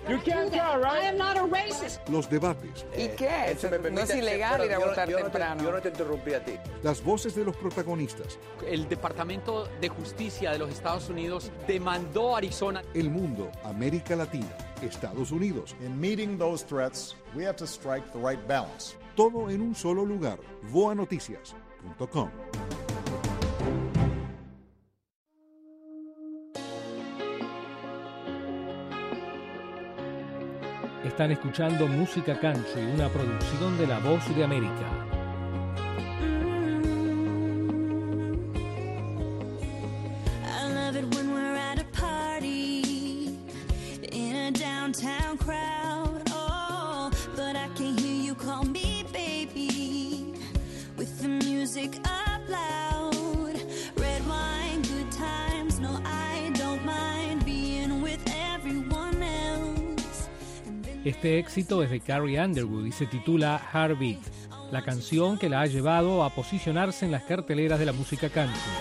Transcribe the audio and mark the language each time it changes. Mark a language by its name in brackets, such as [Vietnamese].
[English] You can't go, right? I am not a racist. [Spanish] Los debates. ¿Y qué? Eso me permite, no es ilegal ir a votar temprano. Yo no te interrumpí a ti. Las voces de los protagonistas. El Departamento de Justicia de los Estados Unidos demandó a Arizona. El mundo, América Latina, Estados Unidos. [English] In meeting those threats, we have to strike the right balance. [Spanish] Todo en un solo lugar. Boanoticias.com. Están escuchando Música Country, una producción de La Voz de América. [English] I love it when we're at a party in a downtown crowd. Oh, but I can hear you call me baby with the music up loud. Red wine, good times, no, I don't mind being with everyone else. [Spanish] Este éxito es de Carrie Underwood y se titula Heartbeat, la canción que la ha llevado a posicionarse en las carteleras de la música country.